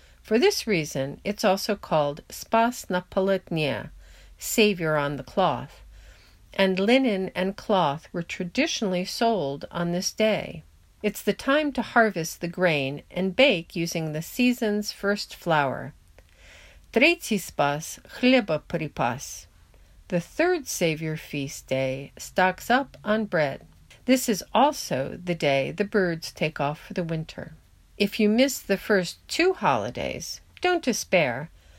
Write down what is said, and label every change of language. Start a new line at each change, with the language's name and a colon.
English: For this reason, it's also called Spas na Polotne, Savior on the cloth, and linen and cloth were traditionally sold on this day. It's the time to harvest the grain and bake using the season's first flour.
Russian: Третий спас – хлеба припас.
English: The third Savior feast day stocks up on bread. This is also the day the birds take off for the winter. If you miss the first two holidays, don't despair.